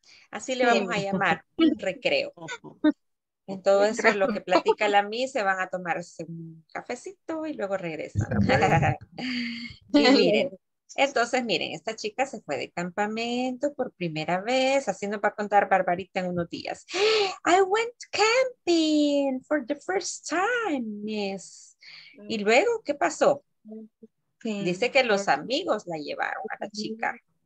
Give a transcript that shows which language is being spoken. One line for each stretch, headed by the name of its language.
Spanish: Así le vamos a llamar, un recreo. En todo eso es lo que platica la Mi, se van a tomarse un cafecito y luego regresan. Y miren, entonces miren, esta chica se fue de campamento por primera vez, así nos va a contar Barbarita en unos días.
English: I went camping for the first time, miss.
Spanish: Y luego, ¿qué pasó? Sí. Dice que los amigos la llevaron a la chica.